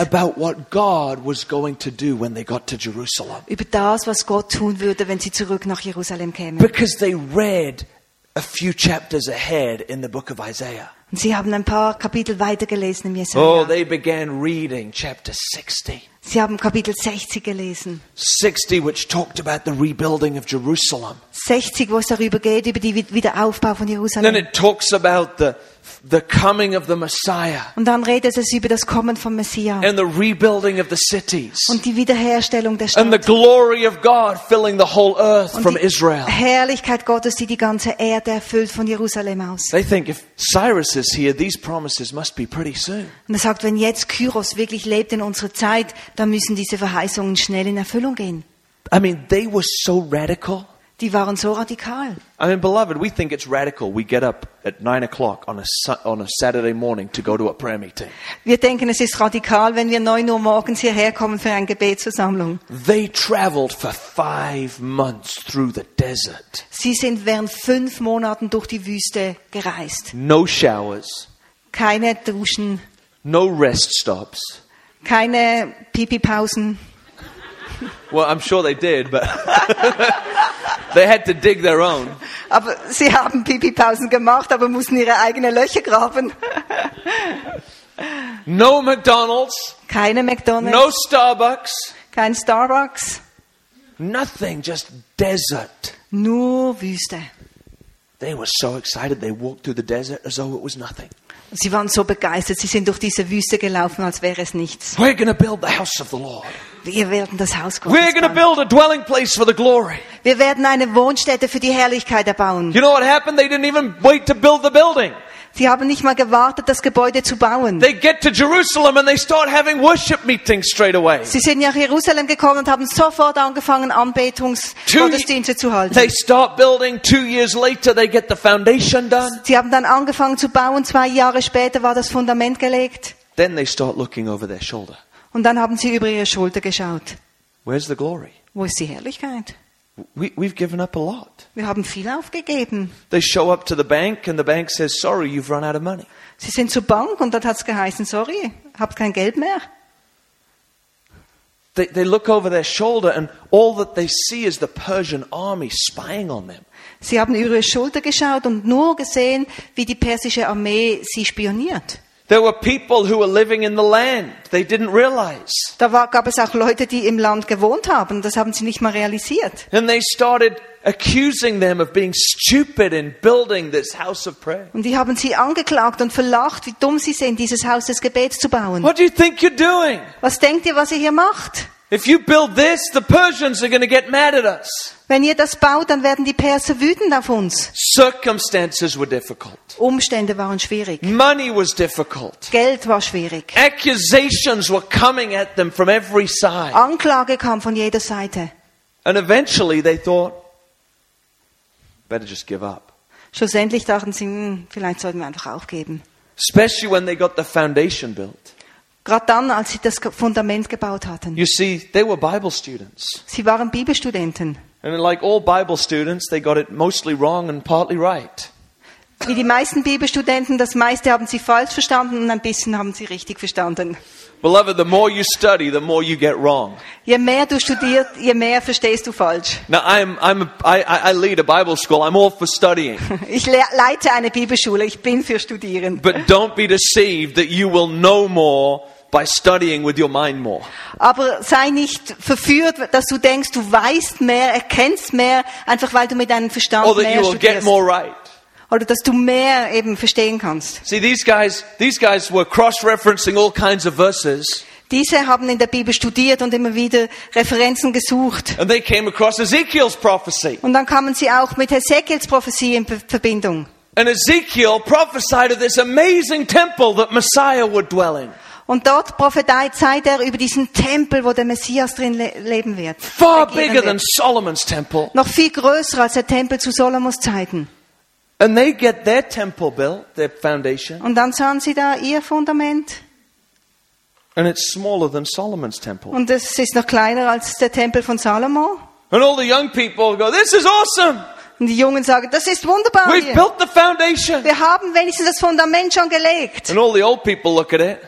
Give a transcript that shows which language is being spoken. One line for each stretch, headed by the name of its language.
English: About what God was going to do when they got to Jerusalem.
German: Über das, was Gott tun würde, wenn sie zurück nach Jerusalem kämen.
English: Because they read a few chapters ahead in the book of Isaiah.
German: Und sie haben ein paar Kapitel weitergelesen im Jesaja.
English: Oh, they began reading chapter 60.
German: Sie haben Kapitel 60 gelesen.
English: 60, which talked about the rebuilding of Jerusalem.
German: 60, wo es darüber geht, über den Wiederaufbau von Jerusalem.
English: Then it talks about the coming of the Messiah.
German: Und dann redet es über das Kommen vom Messias.
English: And the rebuilding of the cities.
German: Und die Wiederherstellung der Stadt.
English: And the glory of God filling the whole earth from Israel.
German: Und die Herrlichkeit Gottes, die die ganze Erde erfüllt von Jerusalem aus.
English: They think if Cyrus is here, these promises must be pretty soon.
German: Und er sagt, wenn jetzt Kyros wirklich lebt in unserer Zeit, dann müssen diese Verheißungen schnell in Erfüllung gehen.
English: I mean, they were so radical.
German: Die waren so radikal.
English: I mean, beloved, we think it's radical. We get up at 9 o'clock on a Saturday morning to go to a prayer meeting.
German: Wir denken, es ist radikal, wenn wir 9 Uhr morgens hierher kommen für eine Gebetsversammlung.
English: They traveled for 5 months through the desert.
German: Sie sind während 5 Monaten durch die Wüste gereist.
English: No showers.
German: Keine Duschen.
English: No rest stops.
German: Keine Pipi-Pausen.
English: Well, I'm sure they did, but they had to dig their own.
German: Aber sie haben Pipi-Pausen gemacht, aber mussten ihre eigenen Löcher graben.
English: No McDonald's.
German: Keine McDonald's.
English: No Starbucks.
German: Kein Starbucks.
English: Nothing, just desert.
German: Nur Wüste.
English: They were so excited, they walked through the desert as though it was nothing.
German: Sie waren so begeistert, sie sind durch diese Wüste gelaufen, als wäre es nichts.
English: We're going to build the house of the Lord.
German: Wir werden das Haus Gottes bauen.
English: We're going to build a dwelling place for the glory.
German: Wir werden eine Wohnstätte für die Herrlichkeit erbauen.
English: You know what happened? They didn't even wait to build the building.
German: Sie haben nicht mal gewartet, das Gebäude zu bauen.
English: They get to Jerusalem and they start having worship meetings straight away.
German: Sie sind nach Jerusalem gekommen und haben sofort angefangen, Anbetungsgottesdienste zu halten.
English: They start building. 2 years later, they get the foundation done.
German: Sie haben dann angefangen zu bauen. 2 Jahre später war das Fundament gelegt.
English: Then they start looking over their shoulder.
German: Und dann haben sie über ihre Schulter geschaut.
English: Where's the glory?
German: Wo ist die Herrlichkeit?
English: We've given up a lot.
German: Wir haben viel aufgegeben.
English: They show up to the bank and the bank says, sorry, you've run out of money.
German: Sie sind zur Bank und dort hat's geheißen, sorry, habt kein Geld mehr.
English: They look over their shoulder and all that they see is the Persian army spying on them.
German: Sie haben über ihre Schulter geschaut und nur gesehen, wie die persische Armee sie spioniert.
English: There were people who were living in the land. They didn't realize.
German: Da gab es auch Leute, die im Land gewohnt haben. Das haben sie nicht mal realisiert.
English: And they started accusing them of being stupid in building this house of prayer.
German: Und die haben sie angeklagt und verlacht, wie dumm sie sind, dieses Haus des Gebets zu bauen.
English: What do you think you're doing?
German: Was denkt ihr, was ihr hier macht?
English: If you build this, the Persians are going to get mad at us.
German: Wenn ihr das baut, dann werden die Perser wütend auf uns.
English: Circumstances were difficult.
German: Umstände waren schwierig.
English: Money was difficult.
German: Geld war schwierig.
English: Accusations were coming at them from every side.
German: Anklage kam von jeder Seite.
English: And eventually they thought, better just give up.
German: Schlussendlich dachten sie, vielleicht sollten wir einfach aufgeben.
English: Especially when they got the foundation built.
German: Gerade dann, als sie das Fundament gebaut hatten.
English: You see, they were Bible students.
German: Sie waren Bibelstudenten.
English: And like all Bible students, they got it mostly wrong and partly right.
German: Wie die meisten Bibelstudenten, das meiste haben sie falsch verstanden und ein bisschen haben sie richtig verstanden.
English: Beloved, the more you study, the more you get wrong.
German: Je mehr du studierst, je mehr verstehst du falsch.
English: Now I lead a Bible school. I'm all for studying.
German: Ich leite eine Bibelschule. Ich bin für Studieren.
English: But don't be deceived that you will know more by studying with your mind more.
German: Aber sei nicht verführt, dass du denkst, du weißt mehr, erkennst mehr, einfach weil du mit deinem Verstand mehr studierst.
English: Or that you will get more right.
German: Oder dass du mehr eben verstehen kannst.
English: See, these guys were cross-referencing all kinds of verses.
German: Diese haben in der Bibel studiert und immer wieder Referenzen gesucht.
English: And they came across Ezekiel's prophecy.
German: Und dann kamen sie auch mit Ezekiels Prophezeiung in Verbindung.
English: And Ezekiel prophesied of this amazing temple that Messiah would dwell in.
German: Und dort prophezeit er über diesen Tempel, wo der Messias drin leben wird.
English: Far bigger than Solomon's temple.
German: Noch viel größer als der Tempel zu Solomos Zeiten.
English: And they get their temple built, their foundation.
German: Und dann sahen sie da ihr Fundament.
English: And it's smaller than Solomon's temple.
German: Und es ist noch kleiner als der Tempel von Salomo.
English: And all the young people go, this is awesome.
German: Und die Jungen sagen, das ist wunderbar.
English: We've built the foundation.
German: Wir haben wenigstens das Fundament schon gelegt.
English: And all the old people look at it.